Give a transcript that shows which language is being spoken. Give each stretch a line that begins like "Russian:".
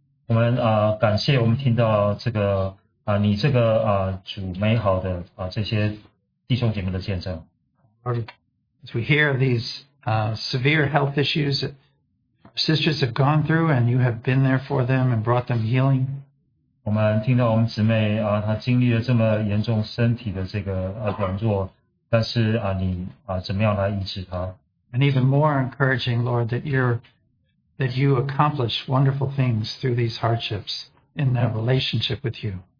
Chinese: 我们感谢我们听到这个。你这个主美好的这些弟兄姐妹的见证。
English: As we hear these severe health issues that sisters have gone through, and you have been there for them and brought them healing.
Chinese: 我们听到我们姊妹她经历了这么严重身体的这个软弱，但是你怎么样来医治她。
English: And even more encouraging, Lord, that you accomplish wonderful things through these hardships in their relationship with you.